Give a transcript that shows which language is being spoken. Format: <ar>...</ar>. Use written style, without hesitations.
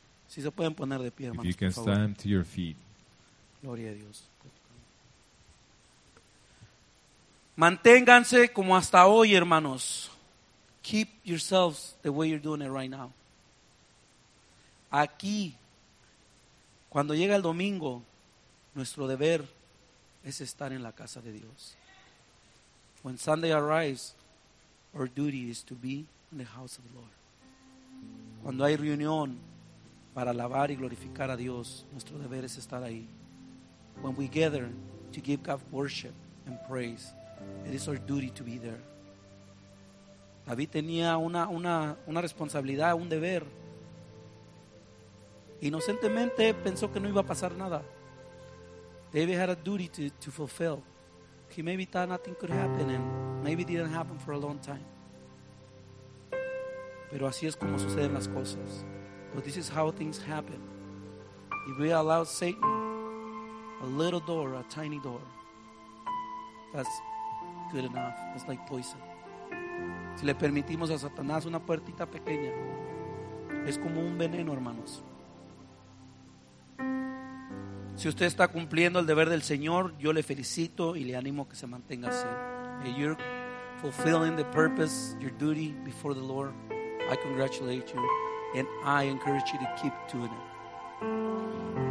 <es>Si se pueden poner de pie, hermanos,</es> <en>if you can</en> <es>por favor.</es> <en>Stand to your feet.</en> <es>Gloria a Dios. Manténganse como hasta hoy, hermanos.</es> <en>Keep yourselves the way you're doing it right now.</en> <es>Aquí. Cuando llega el domingo, nuestro deber es estar en la casa de Dios.</es> <en>When Sunday arrives, our duty is to be in the house of the Lord.</en> <es>Cuando hay reunión para alabar y glorificar a Dios, nuestro deber es estar ahí.</es> <en>When we gather to give God worship and praise, it is our duty to be there.</en> <es>David tenía una responsabilidad, un deber. Inocentemente pensó que no iba a pasar nada.</es> <en>David had a duty to fulfill. He maybe thought nothing could happen and maybe it didn't happen for a long time.</en> <es>Pero así es como suceden las cosas.</es> <en>But this is how things happen. If we allow Satan a little door, a tiny door, that's good enough. It's like poison.</en> <es>Si le permitimos a Satanás una puertita pequeña, es como un veneno, hermanos. Si usted está cumpliendo el deber del Señor, yo le felicito y le animo a que se mantenga así.</es> <en>If you're fulfilling the purpose, your duty before the Lord, I congratulate you and I encourage you to keep doing it.</en>